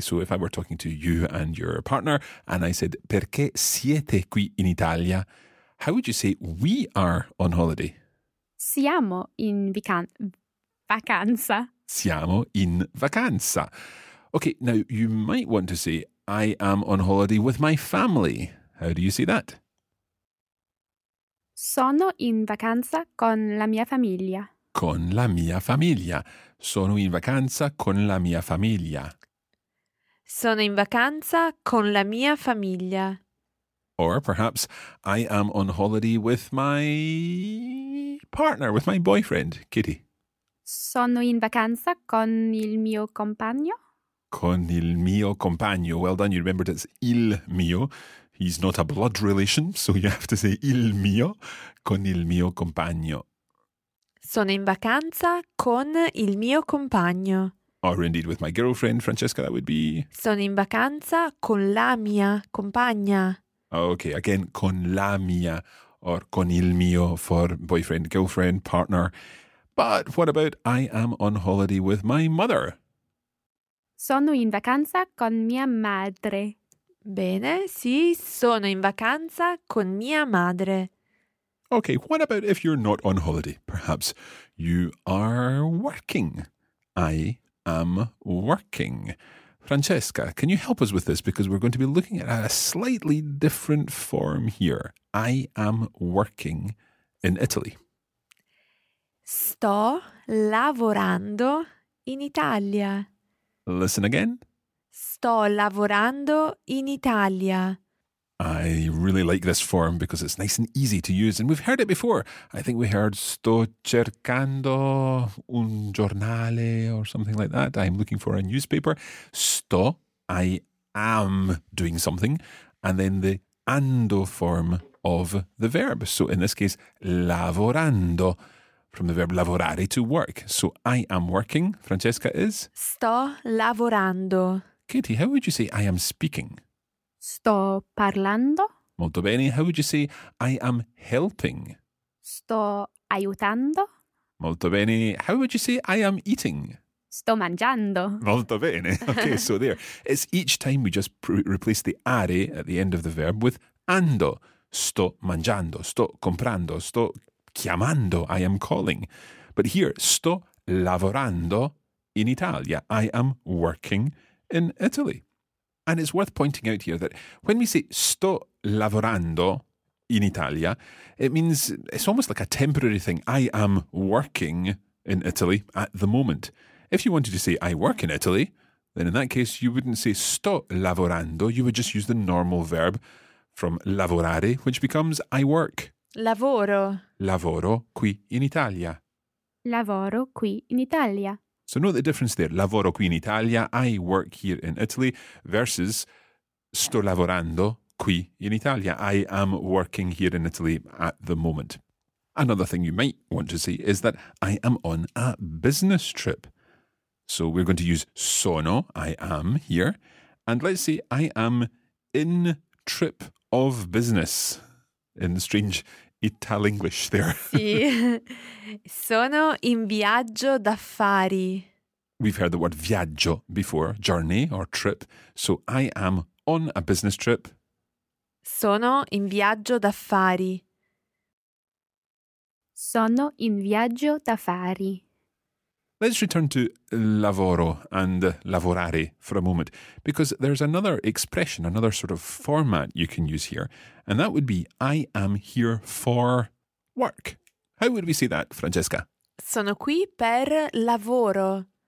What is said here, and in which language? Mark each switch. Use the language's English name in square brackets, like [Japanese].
[English] So if I were talking to you and your partner and I said, [Italian] perché siete qui in Italia? [English] How would you say we are on holiday? [Italian] Siamo in vacanza. Siamo in vacanza. [English] Okay, now you might want to say, I am on holiday with my family. How do you say that? [Italian] Sono in vacanza con la mia famiglia. Con la mia famiglia. Sono in vacanza con la mia famiglia. Sono in vacanza con la mia famiglia. [English] Or perhaps, I am on holiday with my partner, with my boyfriend, Kitty. [Italian] Sono in vacanza con il mio compagno. Con il mio compagno. [English] Well done, you remembered it's [Italian] il mio. [English] He's not a blood relation, so you have to say il mio. [Italian] Con il mio compagno. Sono in vacanza con il mio compagno. [English] Or indeed with my girlfriend, Francesca, that would be... [Italian] Sono in vacanza con la mia compagna. [English] Okay, again, [Italian] con la mia [English] or [Italian] con il mio [English] for boyfriend, girlfriend, partner. But what about I am on holiday with my mother? [Italian] Sono in vacanza con mia madre. Bene, sì, sono in vacanza con mia madre. [English] Okay, what about if you're not on holiday? Perhaps you are working. I am working. Francesca, can you help us with this? Because we're going to be looking at a slightly different form here. I am working in Italy. [Italian] Sto lavorando in Italia. [English] Listen again. [Italian] Sto lavorando in Italia. [English] I really like this form because it's nice and easy to use. And we've heard it before. I think we heard [Italian] sto cercando un giornale [English] or something like that. I'm looking for a newspaper. Sto, I am doing something. And then the ando form of the verb. So in this case, lavorando. From the verb lavorare, to work. So I am working. Francesca is? [Italian] Sto lavorando. [English] Katie, how would you say I am speaking? [Italian] Sto parlando. Molto bene. [English] How would you say I am helping? [Italian] Sto aiutando. Molto bene. [English] How would you say I am eating? [Italian] Sto mangiando. Molto bene. [English] Okay, so there. It's each time we just replace the are at the end of the verb with ando. [Italian] Sto mangiando. Sto comprando. Sto chiamando, [English] I am calling. But here, [Italian] sto lavorando in Italia. [English] I am working in Italy. And it's worth pointing out here that when we say [Italian] sto lavorando in Italia, [English] it means it's almost like a temporary thing. I am working in Italy at the moment. If you wanted to say I work in Italy, then in that case you wouldn't say [Italian] sto lavorando, [English] you would just use the normal verb from lavorare, which becomes I work. [Italian] Lavoro. Lavoro qui in Italia. Lavoro qui in Italia. [English] So note the difference there. [Italian] Lavoro qui in Italia, [English] I work here in Italy, versus [Italian] sto lavorando qui in Italia, [English] I am working here in Italy at the moment. Another thing you might want to say is that I am on a business trip. So we're going to use sono, I am, here. And let's say I am in trip of business. In strange Italenglish there. [Italian] Sì. Sono in viaggio d'affari. [English] We've heard the word viaggio before, journey or trip. So I am on a business trip. [Italian] Sono in viaggio d'affari. Sono in viaggio d'affari. [English] Let's return to lavoro and lavorare for a moment, because there's another expression, another sort of format you can use here, and that would be I am here for work. How would we say that, Francesca? [Italian] Sono qui per lavoro.